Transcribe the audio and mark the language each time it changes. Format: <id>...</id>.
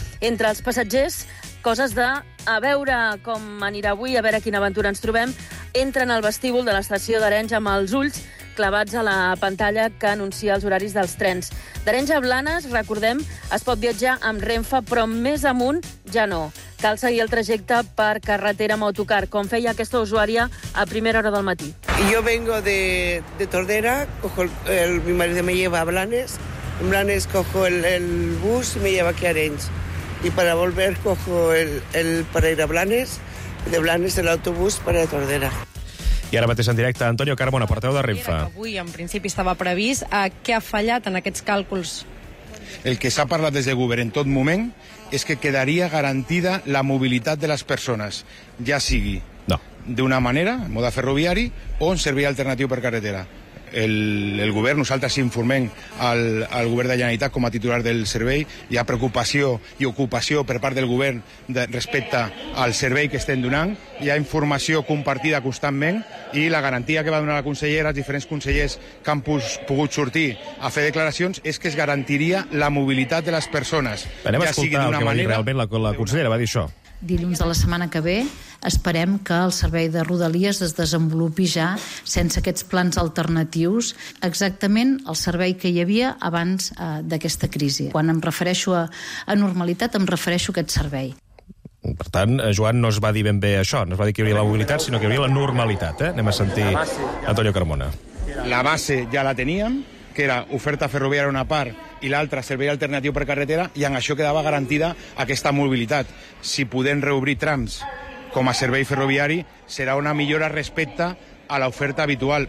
<ca>Entre els passatgers, coses de a veure com anirà avui, a veure quina aventura ens trobem, entren al vestíbul de l'estació d'Arenys amb els ulls clavats a la pantalla que anuncia els horaris dels trens. D'Arenys a Blanes, recordem, es pot viatjar amb Renfe, però més amunt ja no. Cal seguir el trajecte per carretera amb autocar, com feia aquesta usuària a primera hora del matí.</ca> <es>Yo vengo de Tordera, cojo mi marido me lleva a Blanes, en Blanes cojo el bus y me lleva aquí a Arenys. Y para volver cojo el para ir a Blanes, de Blanes el autobús para a Tordera.</es> <ca>I ara mateix en directe, Antonio Carmona, porteu de Renfe. Avui, en principi, estava previst. Què ha fallat en aquests càlculs? El que s'ha parlat des del govern en tot moment és que quedaria garantida la mobilitat de les persones, ja sigui d'una manera, en mode ferroviari, o en servei alternatiu per carretera. El govern, nosaltres informem al govern de Generalitat com a titular del servei, hi ha preocupació i ocupació per part del govern respecte al servei que estem donant, hi ha informació compartida constantment i la garantia que va donar la consellera, els diferents consellers que han pogut sortir a fer declaracions, és que es garantiria la mobilitat de les persones. Anem a escoltar el que va dir realment la consellera, va dir això. Dilluns de la setmana que ve esperem que el servei de Rodalies es desenvolupi ja sense aquests plans alternatius, exactament el servei que hi havia abans d'aquesta crisi. Quan em refereixo a normalitat, em refereixo a aquest servei. Per tant, Joan no es va dir ben bé això, no es va dir que hi havia la mobilitat, sinó que hi havia la normalitat. Anem a sentir Antonio Carmona. la base ja la teníem, que era oferta ferroviària una part i l'altra servei alternatiu per carretera, i en això quedava garantida aquesta mobilitat. Si podem reobrir trams com a servei ferroviari, serà una millora respecte a l'oferta habitual.</ca>